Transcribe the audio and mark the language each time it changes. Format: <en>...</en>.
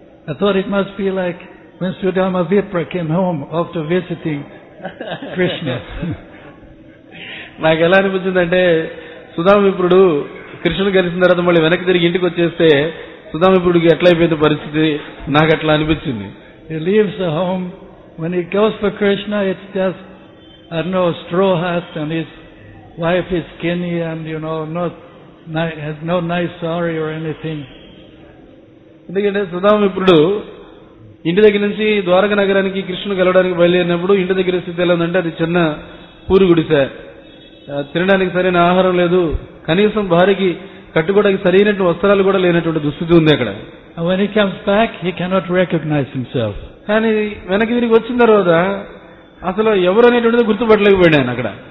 <en>I thought it must be like when Sudama Vipra came home after visiting Krishna.</en> <te>నాకు ఎలా అనిపించిందంటే సుధామ విప్రుడు కృష్ణుని కలిసిన తర్వాత మళ్ళీ వెనక్కి తిరిగి ఇంటికి వచ్చేస్తే సుధామ విప్రుడికి ఎట్లా అయిపోయిన పరిస్థితి నాకు అట్లా అనిపించింది.</te> <en>He leaves the home, when he goes for Krishna, it's just, I don't know, straw hat and his wife is skinny and, you know, has no nice sari or anything.</en> <te>ఎందుకంటే సుధామ విప్రుడు ఇంటి దగ్గర నుంచి ద్వారక నగరానికి కృష్ణుని కలవడానికి బయలుదేరినప్పుడు ఇంటి దగ్గర స్థితి ఎలా ఉందంటే అది చిన్న పూరిగుడిసె, తినడానికి సరైన ఆహారం లేదు, కనీసం భార్యకి కట్టుకోవడానికి సరైన వస్త్రాలు కూడా లేనటువంటి దుస్థితి ఉంది అక్కడ.</te> <en>When he comes back, he cannot recognize himself.</en> <te>కానీ వెనక్కి తిరిగి వచ్చిన తర్వాత అసలు ఎవరు అనేటువంటిది గుర్తుపట్టలేకపోయాను అక్కడ.</te>